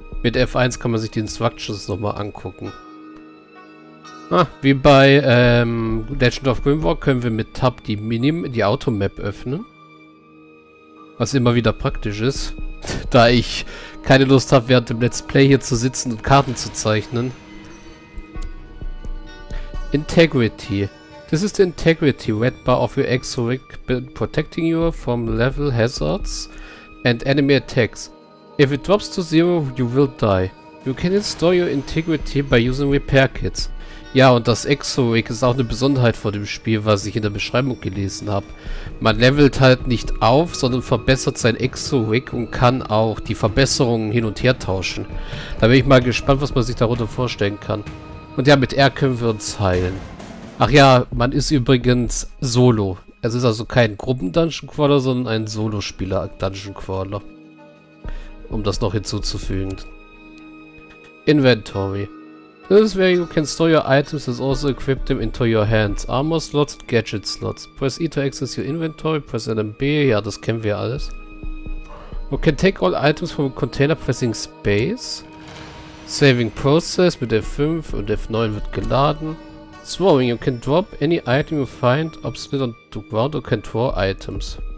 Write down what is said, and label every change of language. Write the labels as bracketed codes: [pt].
[de] Mit F1 kann man sich die Instructions nochmal angucken. Ah, wie bei Legend of Grimrock können wir mit Tab die Minim die Automap öffnen. Was immer wieder praktisch ist. Da ich keine Lust habe, während dem Let's Play hier zu sitzen und Karten zu zeichnen. [en] Integrity. This is the Integrity Red Bar of your Exo-Rig protecting you from level hazards and enemy attacks. If it drops to zero, you will die. You can restore your Integrity by using Repair Kits. [de] Ja, und das Exo-Rig ist auch eine Besonderheit von dem Spiel, was ich in der Beschreibung gelesen habe. Man levelt halt nicht auf, sondern verbessert sein Exo-Rig und kann auch die Verbesserungen hin und her tauschen. Da bin ich mal gespannt, was man sich darunter vorstellen kann. Und ja, mit R können wir uns heilen. Ach ja, man ist übrigens Solo. Es ist also kein Gruppen-Dungeon-Crawler, sondern ein Solo-Spieler-Dungeon-Crawler. Um das noch hinzuzufügen. Inventory. [en] This is where you can store your items and also equip them into your hands. Armor slots, gadget slots. Press E to access your inventory. Press L and B. [de] Ja, das kennen wir alles. [en] You can take all items from a container pressing Space. Saving process [de] mit F5 und F9 wird geladen. [en] Throwing. You can drop any item you find, ob spit on the ground or can throw items.